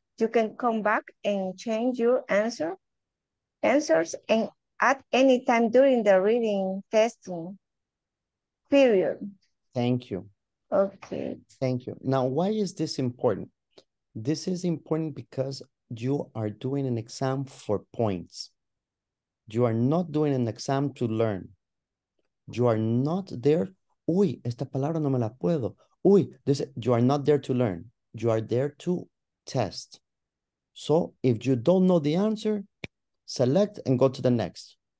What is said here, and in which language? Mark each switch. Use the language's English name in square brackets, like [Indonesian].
[English] You can come back and change your answers and at any time during the reading testing period. Thank you. Okay. Thank you. Now, why is this important? This is important because you are doing an exam for points. You are not doing an exam to learn. You are not there. [Spanish] Uy, esta palabra no me la puedo. [English] Uy, this, you are not there to learn. You are there to test. So if you don't know the answer, select and go to the next.